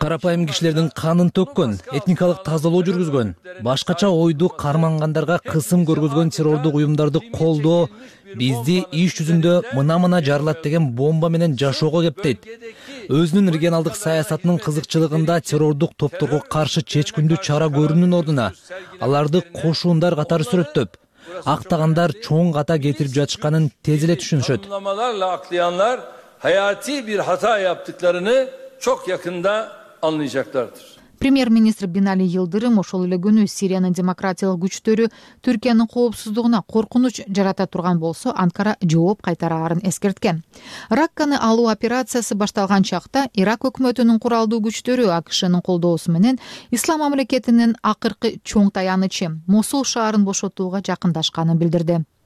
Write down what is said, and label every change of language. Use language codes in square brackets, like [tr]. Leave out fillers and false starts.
[ky] карапайым кишилердин канын төккөн, этникалык тазалоо жүргүзгөн, башкача ойду кармангандарга кысым көргөзгөн террордук уюмдарды колдоо бизди иш жүзүндө мына-мына жарылат деген бомба менен жашоого кептейт. Өзүнүн регионалдык саясатынын кызыкчылыгында террордук топторго каршы чечкиндүү чара көрүүнүн ордуна аларды кошуундар катары сүрөттөп, актагандар чоң ката кетирип жатышканын тез эле түшүнүшөт. [tr] Аклыянлар hayati bir hata yaptıklarını çok yakında anlayacaklardır. [ky] Премьер-министр Бинали Йылдырым ошол эле күнү Сириянын демократиялык күчтөрү Түркиянын коопсуздугуна коркунуч жарата турган болсо, Анкара жооп кайтарарын эскерткен. Ракканы алуу операциясы башталган чакта Ирак өкмөтүнүн куралдуу күчтөрү АКШнын колдоосу менен Ислам мамлекетинин акыркы чоң таянычы Мосул шаарын бошотууга жакындашканын билдирди.